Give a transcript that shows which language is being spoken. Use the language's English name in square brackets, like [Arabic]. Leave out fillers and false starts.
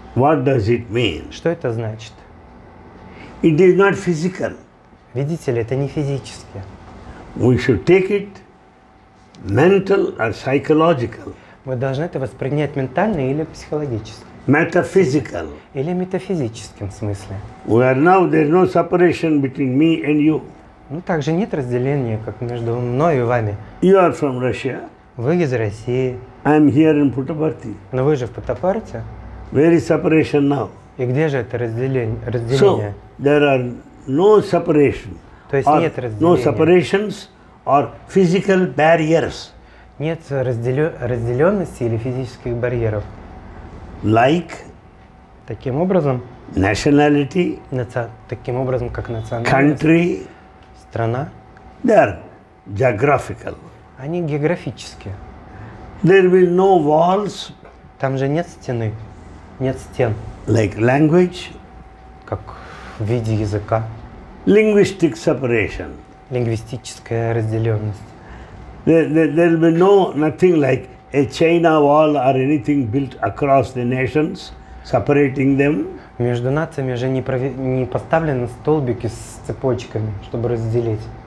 [English] What does it mean? [Russian] Что это значит? [English] It is not physical. [Russian] Видите ли, это не физически. [English] We should take it mental or psychological. [Russian] Мы должны это воспринять ментально или психологически. [English] Metaphysical. [Russian] Или метафизическим смысле. [English] We are now there is no separation between me and you. [Russian] Ну также нет разделения, как между мной и вами. [English] You are from Russia. [Russian] Вы из России. [English] I am here in Puttaparthi. [Russian] Но вы же в Путапарте. [English] Where is separation now? [Russian] И где же это разделение? [English] So there are no separation. [Russian] То есть нет разделения. [English] No separations or physical barriers. [Russian] Нет разделенности или физических барьеров. [English] Like. [Russian] Таким образом. [English] Nationality. [Russian] Таким образом как национальность. [English] Country. [Russian] Страна. [English] They are geographical. [Russian] Они географические. [English] There will no walls. [Russian] Там же нет стены. Нет стен. [English] Like language. [Russian] Как в виде языка. [English] Linguistic separation. [Russian] Лингвистическая разделенность. [English] There will be no nothing like a China wall or anything built across the nations, separating them. [Russian] Между нациями же не поставлены столбики с цепочками, чтобы разделить.